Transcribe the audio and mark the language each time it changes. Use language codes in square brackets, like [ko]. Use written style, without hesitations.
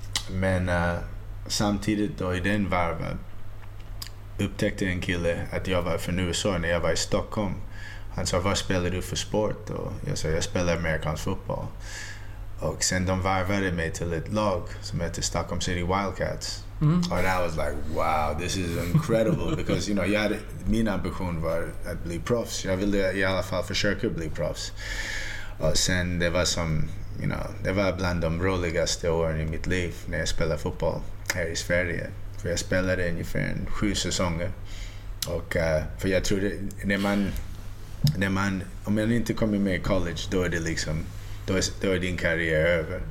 [sv] Men samtidigt då i den varven upptäckte en kille att jag var från USA när jag var i Stockholm. Han sa, vad spelar du för sport? Och jag sa, jag spelar amerikansk fotboll. Och sen de varvade mig till ett lag som heter Stockholm City Wildcats. Mm-hmm. [en] And I was like, wow, this is incredible. Because, you know, [sv] min ambition var att bli proffs. Jag ville i alla fall försöka bli proffs. Och sen det var som, [en] you know, [sv] det var bland de roligaste åren i mitt liv när jag spelade fotboll här i Sverige. För jag spelade ungefär 7 säsonger. Och för jag trodde, när man, om man inte kommer med i college, då är det liksom, då är din karriär över.